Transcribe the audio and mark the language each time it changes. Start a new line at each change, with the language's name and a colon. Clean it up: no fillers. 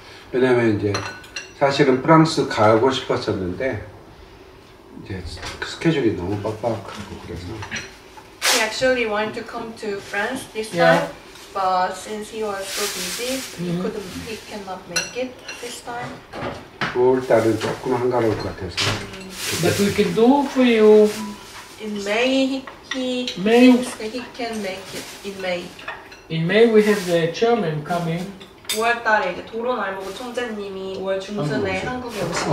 Korean: 왜냐면 이제 사실은 프랑스 가고 싶었었는데 이제 스케줄이 너무 빡빡하고 그래서.
English: He actually wanted to come to France this time, but since he was so busy, he cannot make it this time.
Korean: 5월달은 조금 한가로울 것 같아서.
English: But we can do for you. In May, May. He can make it in May. In May, we have the chairman coming.
Korean: 5월달에 도론 알모그 총재님이 5월 중순에 한국에 오십니다.